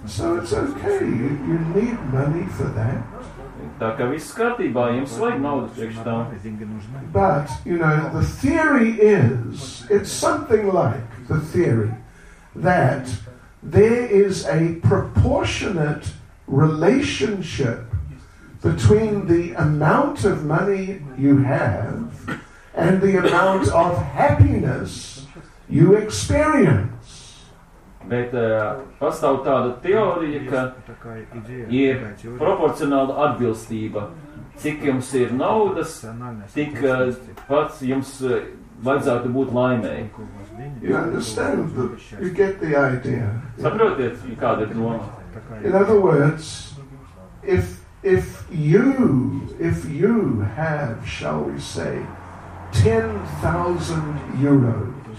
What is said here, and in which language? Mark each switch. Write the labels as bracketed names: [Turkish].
[English] So it's okay, you need money for that. [Latvian] Tā kā viss kārtībā, jums vajag naudu priekš tā. [English] But, you know, the theory is, it's something like the theory, that there is a proportionate relationship between the amount of money you have and the amount of happiness you experience. [Latvian] Bet pastāv tāda teorija, ka ir proporcionāla atbilstība. Cik jums ir naudas, tik pats jums vajadzētu būt laimēji. [English] You understand, you get the idea. [Latvian] Saprotiet, kāda ir doma. [English] In other words, if you have, shall we say, 10,000 euros,